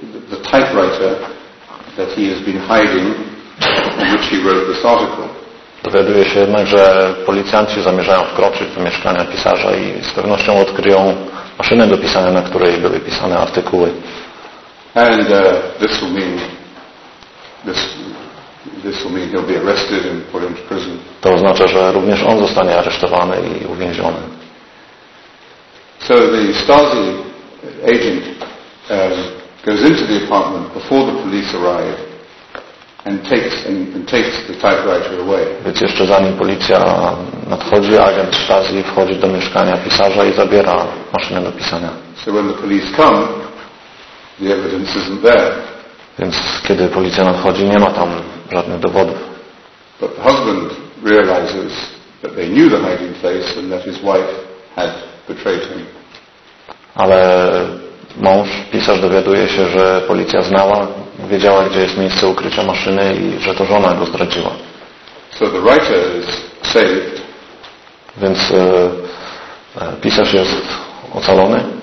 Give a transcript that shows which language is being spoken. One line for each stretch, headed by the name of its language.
English: the typewriter that he has been hiding, in which he wrote this article.
Polish: Dowiaduje się jednak, że policjanci zamierzają wkroczyć do mieszkania pisarza i z pewnością odkryją maszynę do pisania, na której były pisane artykuły.
English: And this will mean this will mean he'll be arrested and put into prison.
Polish: To oznacza, że również on zostanie aresztowany i uwięziony.
English: So the Stasi agent goes into the apartment before the police arrive and takes the typewriter away.
Polish: Więc jeszcze zanim policja nadchodzi, agent Stasi wchodzi do mieszkania pisarza i zabiera maszynę do pisania.
English: So when the police come, the evidence isn't there.
Polish: Więc kiedy policja nadchodzi, nie ma tam żadnych dowodów.
English: But the husband realizes that they knew the hiding place and that his wife had betrayed him.
Polish: Ale mąż, pisarz dowiaduje się, że policja znała, wiedziała, gdzie jest miejsce ukrycia maszyny i że to żona go zdradziła.
English: So the writer is saved.
Polish: Więc pisarz jest ocalony.